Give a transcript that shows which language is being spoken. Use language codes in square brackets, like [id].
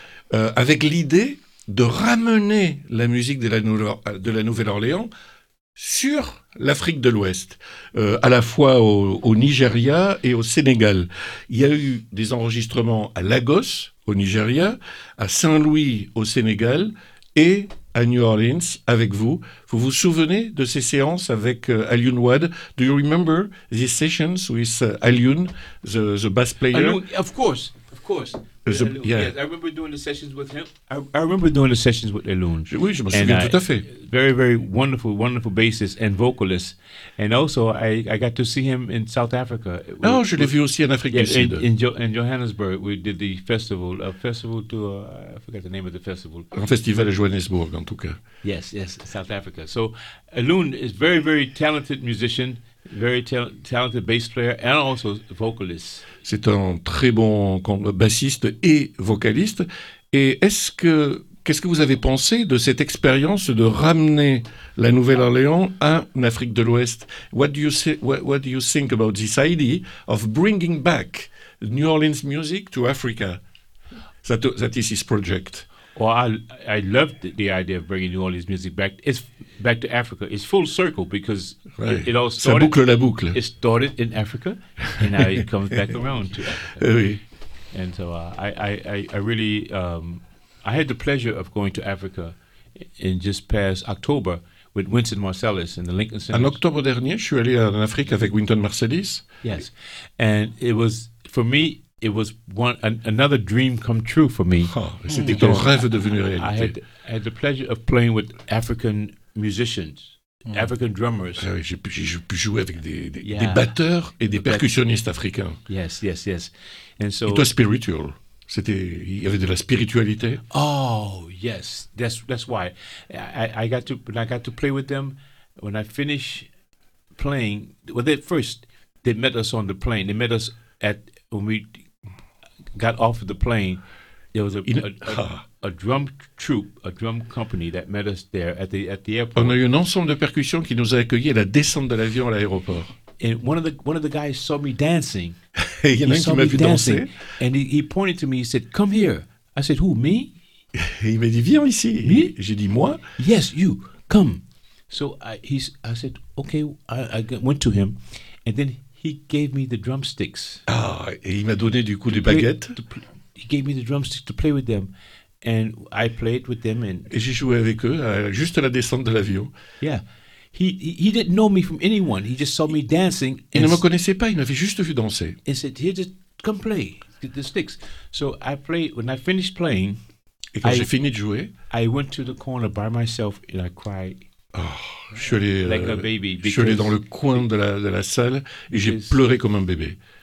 [fr] avec l'idée de ramener la musique de la Nouvelle-Orléans sur l'Afrique de l'Ouest, à la fois au Nigeria et au Sénégal. Il y a eu des enregistrements à Lagos, au Nigeria, à Saint-Louis, au Sénégal, et à New Orleans, avec vous. Vous vous souvenez de ces séances avec Alun Wad? [en] Do you remember these sessions with Alun, the bass player? Of course. I remember doing the sessions with him. I remember doing the sessions with Alun. [fr] Oui, je me souviens and tout à fait. [en] Very, very wonderful bassist and vocalist. And also, I got to see him in South Africa. [fr] Je l'ai vu aussi en Afrique du Sud. [en] In Johannesburg, we did the festival. I forgot the name of the festival. [fr] Un festival à Johannesburg, en tout cas. [en] Yes, South Africa. So Alun is very, very talented musician. Very talented bass player and also vocalist. [fr] C'est un très bon bassiste et vocaliste. Et qu'est-ce que vous avez pensé de cette expérience de ramener la Nouvelle-Orléans en Afrique de l'Ouest? [en] What do you think about this idea of bringing back New Orleans music to Africa? That is his project. Well, I loved the idea of bringing New Orleans music back to Africa. It's full circle because it all started. [fr] Ça boucle la boucle. [en] It started in Africa, and now it comes back around to Africa. [fr] Oui. [en] And so I had the pleasure of going to Africa in just past October with Wynton Marsalis in the Lincoln Center. [fr] En octobre dernier, je suis allé en Afrique avec Wynton Marsalis. [en] Yes, and it was for me. It was another dream come true for me. [fr] C'était un rêve devenu réalité. [en] I had the pleasure of playing with African musicians, African drummers. [fr] J'ai pu jouer avec des batteurs et des percussionnistes africains. [en] Yes. And so it was spiritual. [fr] Il y avait de la spiritualité. [en] Oh yes, that's why I got to play with them. When I finished playing, well, at first they met us on the plane. They met us at when we got off of the plane, there was a drum company that met us there at the airport. [fr] On a eu un ensemble de percussions qui nous a accueillis à la descente de l'avion à l'aéroport. [en] And one of the guys saw me dancing. [fr] Il y en a un qui m'a vu danser. [en] And he pointed to me. He said, "Come here." I said, "Who, me?" [fr] Il m'a dit, "Viens ici." [en] Me? [fr] J'ai dit, "Moi." [en] Yes, you. Come. So I said, "Okay." I went to him, and then he gave me the drumsticks. [fr] Ah, et il m'a donné du coup des baguettes. [en] He gave me the drumsticks to play with them, and I played with them. [fr] Et j'ai joué avec eux juste à la descente de l'avion. [en] Yeah, he didn't know me from anyone. He just saw me dancing. [fr] Il ne me connaissait pas. Il m'avait juste vu danser. [en] He said, "Here, just come play the sticks." So I played. When I finished playing, [fr] et quand j'ai fini de jouer, [en] I went to the corner by myself and I cried. [fr] Oh, je suis allé dans le coin de la salle et j'ai pleuré comme un bébé.